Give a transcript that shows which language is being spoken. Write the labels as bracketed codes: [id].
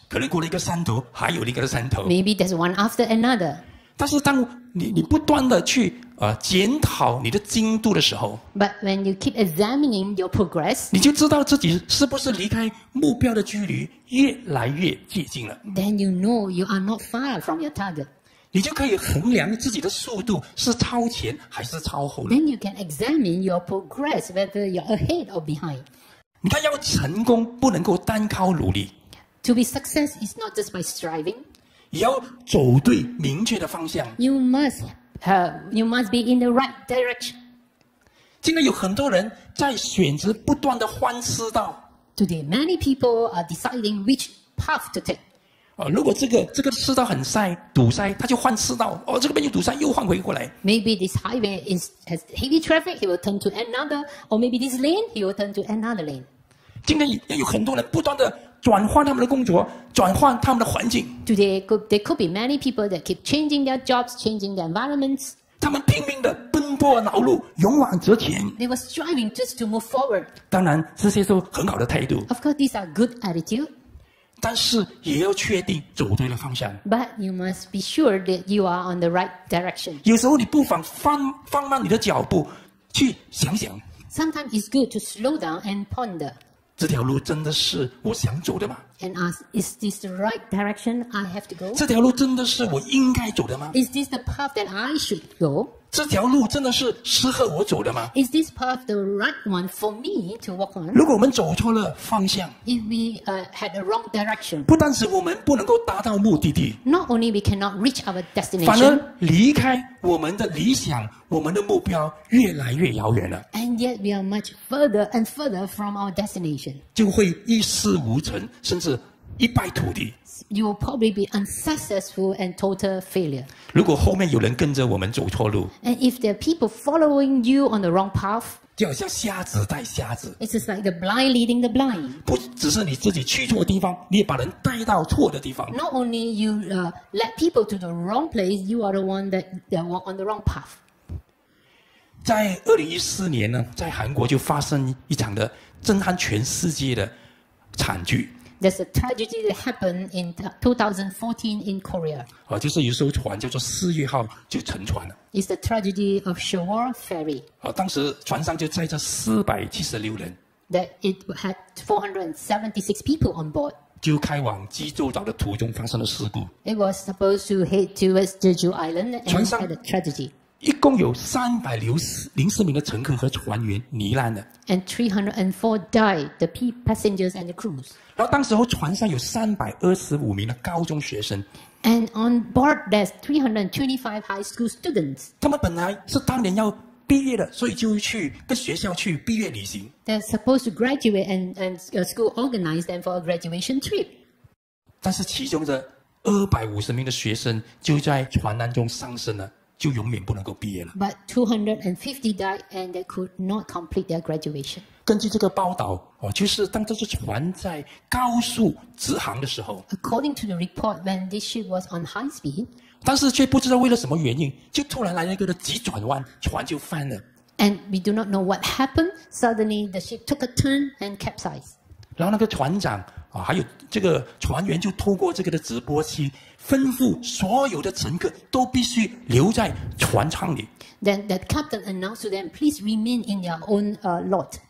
[zh] 可能过了一个山头，还有另一个山头。 [en] Maybe there's one after another. [zh] 但是当你不断的去检讨你的进度的时候 [en] ，But when you keep examining your progress， [zh] 你就知道自己是不是离开目标的距离越来越接近了。 [en] Then you know you are not far from your target。 [zh] 你就可以衡量自己的速度是超前还是超后。 [en] Then you can examine your progress whether you're ahead or behind. [zh] 你看，要成功不能够单靠努力。 [en] To be successful is not just by striving. [zh] 也要走对明确的方向。 [en] You must be in the right direction. [zh] 今天有很多人在选择不断的换赛道。 [en] Today, many people are deciding which path to take. [zh] 如果这个赛道很塞堵塞，他就换赛道。哦，这边又堵塞，又换回过来。 [en] Maybe this highway has heavy traffic, he will turn to another, or maybe this lane, he will turn to another lane. [zh] 今天也有很多人不断的转换他们的工作，转换他们的环境。 [en] Today, there could be many people that keep changing their jobs, changing their environments. [zh] 他们拼命的奔波劳碌，勇往直前。 [en] They were striving just to move forward. [zh] 当然，这些都很好的态度。 [en] Of course, these are good attitude. [zh] 但是也要确定走对了方向。 [en] But you must be sure that you are on the right direction. [zh] 有时候你不妨放慢你的脚步，去想想。 [en] Sometimes it's good to slow down and ponder. [zh] 这条路真的是我想走的吗 [en] ？And ask, is this the right direction I have to go? [zh] 这条路真的是我应该走的吗 [en] ？Is this the path that I should go? [zh] 这条路真的是适合我走的吗 [en] ？Is this path the right one for me to walk on? [zh] 如果我们走错了方向 [en] ，If we had the wrong direction， [zh] 不但是我们不能够达到目的地 [en] ，Not only we cannot reach our destination， [zh] 反而离开我们的理想、我们的目标越来越遥远了。 [en] And yet we are much further and further from our destination， [zh] 就会一事无成，甚至一败涂地。 [en] You will probably be unsuccessful and total failure. [zh] 如果后面有人跟着我们走错路 [en] ，and if there are people following you on the wrong path， [zh] 就好像瞎子带瞎子 [en] ，it's just like the blind leading the blind. [zh] 不只是你自己去错地方，你也把人带到错的地方。 [en] Not only you led people to the wrong place, you are the one that walk on the wrong path. [zh] 在2014年呢，在韩国就发生一场的震撼全世界的惨剧。 [en] There's a tragedy that happened in 2014 in Korea. [zh] 就是有艘船叫做四月号就沉船了。 [en] It's the tragedy of Sewol Ferry. [zh] 当时船上就载着476人。 [en] That it had 476 people on board. [zh] 就开往济州岛的途中发生了事故。 [en] It was supposed to head towards Jeju Island and had a tragedy. [zh] 一共有304名的乘客和船员罹难了。 [en] And 304 died, the passengers and the crews. [zh] 然后当时候船上有325名的高中学生 [en] ，and on board there's 325 high school students。 [zh] 他们本来是当年要毕业的，所以就去跟学校去毕业旅行。 [en] They're supposed to graduate and school organized them for a graduation trip。 [zh] 但是其中的250名的学生就在船难中丧生了，就永远不能够毕业了。 [en] But 250 died and they could not complete their graduation。 [zh] 根据这个报道，就是当这只船在高速直航的时候 [en] ，According to the report, when this ship was on high speed， [zh] 但是却不知道为了什么原因，就突然来了一个急转弯，船就翻了。 [en] And we do not know what happened. Suddenly, the ship took a turn and capsized. [zh] 然后那个船长还有这个船员就透过这个的直播器，吩咐所有的乘客都必须留在船舱里。 [en] Then the captain announced to them, "Please remain in your own lot."